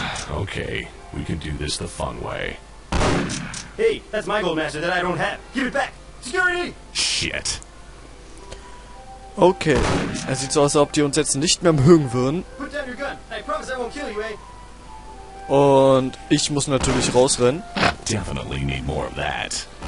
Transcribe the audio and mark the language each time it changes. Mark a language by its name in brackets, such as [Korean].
[English] Okay, we can do this the fun way. Hey, that's my Gold Master that I don't have. Give it back! Security! Shit. [German] Okay, es sieht so aus, als ob die uns jetzt nicht mehr mögen würden. [English] Put down your gun. I promise I won't kill you, eh? [German] Und ich muss natürlich rausrennen. [English] Definitely need more of that.